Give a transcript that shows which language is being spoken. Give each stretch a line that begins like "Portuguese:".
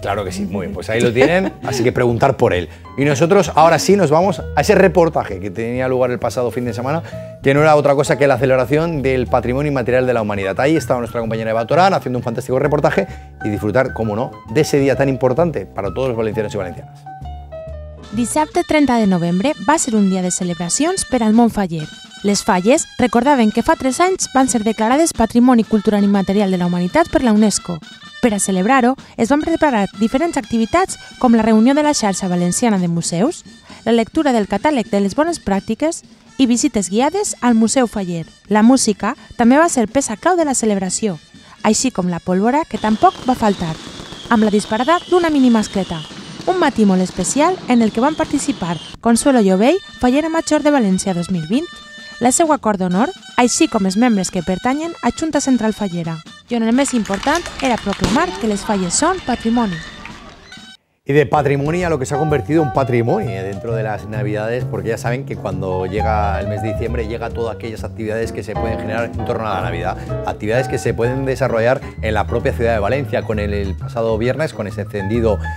Spanish: Claro que sí, muy bien, pues ahí lo tienen, así que preguntar por él. Y nosotros ahora sí nos vamos a ese reportaje que tenía lugar el pasado fin de semana, que no era otra cosa que la celebración del patrimonio inmaterial de la humanidad. Ahí estaba nuestra compañera Eva Torán haciendo un fantástico reportaje y disfrutar, cómo no, de ese día tan importante para todos los valencianos y valencianas.
Catalan: Dissabte 30 de novembre va a ser un día de celebracions per al món faller. Les falles recordaven que fa 3 anys van ser declarades Patrimoni Cultural Immaterial de la Humanitat per la UNESCO. Per a celebrar-ho, es van preparar diferents activitats com la reunió de la xarxa valenciana de museus, la lectura del catàleg de les bones pràctiques i visites guiades al Museu Faller. La música també va ser peça clau de la celebració, així com la pólvora, que tampoc va faltar, amb la disparada d'una mini mascleta. Un matí molt especial en el que van participar Consuelo Llobell, fallera major de València 2020, la seva cort d'honor, així com els membres que pertanyen a Junta Central Fallera. I on el més important era proclamar que les falles són patrimoni.
Spanish: Y de patrimonio a lo que se ha convertido un patrimonio dentro de las Navidades, porque ya saben que cuando llega el mes de diciembre llega todas aquellas actividades que se pueden generar en torno a la Navidad, actividades que se pueden desarrollar en la propia ciudad de Valencia, con el pasado viernes, con ese encendido